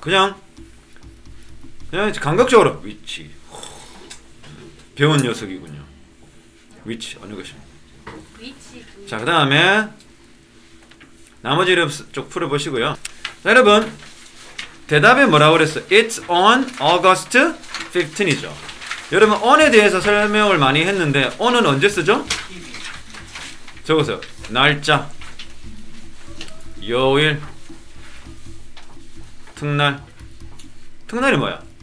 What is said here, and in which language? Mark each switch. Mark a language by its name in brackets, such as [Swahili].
[Korean] 그냥 감각적으로 which. 배운 녀석이군요. 위치 어느 것이? 위치. 자, 그 다음에 나머지를 쭉 풀어보시고요. 자, 여러분, 대답에 뭐라고 그랬어? [English] It's on August 15이죠. [Korean] 여러분, on에 대해서 설명을 많이 했는데 on은 언제 쓰죠? 적으세요. 날짜, 요일, 특날. 특날이 뭐야?